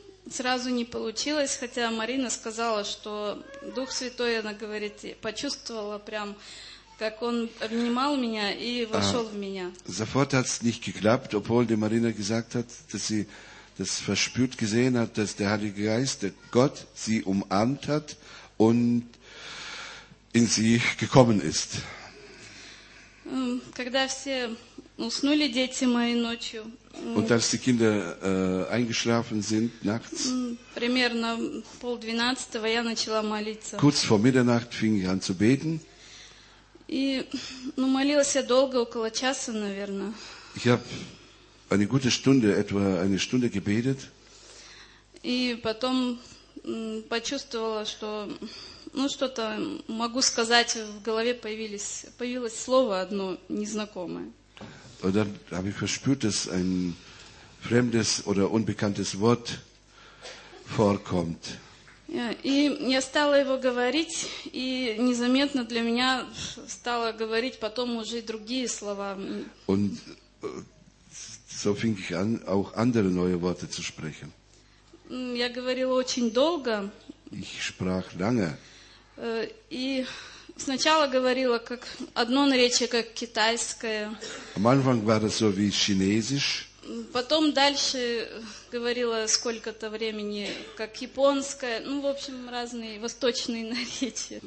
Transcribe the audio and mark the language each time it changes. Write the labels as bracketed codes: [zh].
[ru] Сразу не получилось, хотя Марина сказала, что Дух Святой, она говорит, почувствовала прям, как он обнимал меня и вошел в меня. [de] Sofort hat es nicht geklappt, obwohl die Marina gesagt hat, dass sie das verspürt gesehen hat, dass der Heilige Geist, der Gott, sie umarmt hat und in sie gekommen ist. [ru] Когда все уснули, дети мои, ночью. [de] Und als die Kinder eingeschlafen sind, nachts. [ru] Примерно 11:30 я начала молиться. [de] Kurz vor Mitternacht fing ich an zu beten. [ru] И, ну, молилась я долго, около часа, наверное. [de] Ich habe eine gute Stunde, etwa eine Stunde gebetet. [ru] И потом почувствовала, что, ну, что-то могу сказать, в голове появилось слово одно незнакомое. [de] Und dann habe ich verspürt, dass ein fremdes oder unbekanntes Wort vorkommt. [ru] Ja, и я стала его говорить, и незаметно для меня стала говорить потом уже другие слова. [de] Und so fing ich an, auch andere neue Worte zu sprechen. [ru] Я говорила очень долго. [de] Ich sprach lange. [ru] И сначала говорила как одно наречие, как китайское. [de] Am Anfang war das so wie chinesisch. [ru] Потом дальше говорила сколько-то времени как японское, ну, в общем, разные восточные наречия.